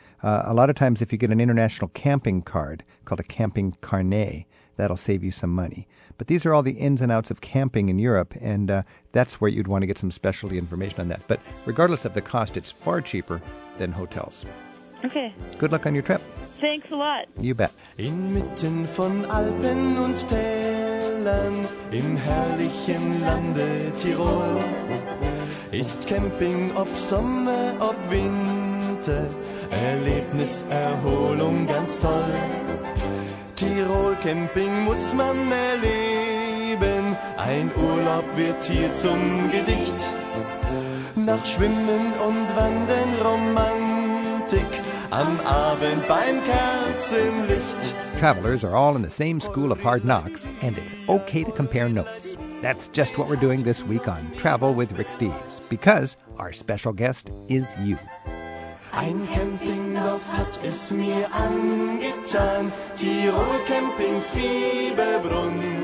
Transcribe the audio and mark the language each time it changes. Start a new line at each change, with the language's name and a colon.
English: A lot of times if you get an international camping card called a camping carnet, that'll save you some money. But these are all the ins and outs of camping in Europe, and that's where you'd want to get some specialty information on that. But regardless of the cost, it's far cheaper than hotels. Okay. Good luck on your trip. Thanks a lot. You bet.
German: Inmitten von Alpen und Tälern, im herrlichen Lande Tirol, ist Camping ob Sommer, ob Winter, Erlebnis, Erholung ganz toll. Tirol Camping muss man erleben, ein Urlaub wird hier zum Gedicht. Nach Schwimmen und Wandern Romantik, am Abend beim Kerzenlicht.
English: Travelers are all in the same school of hard knocks, and it's okay to compare notes. That's just what we're doing this week on Travel with Rick Steves, because our special guest is you.
German: Ein Campingdorf hat es mir angetan, Tirol Camping Fieberbrunn.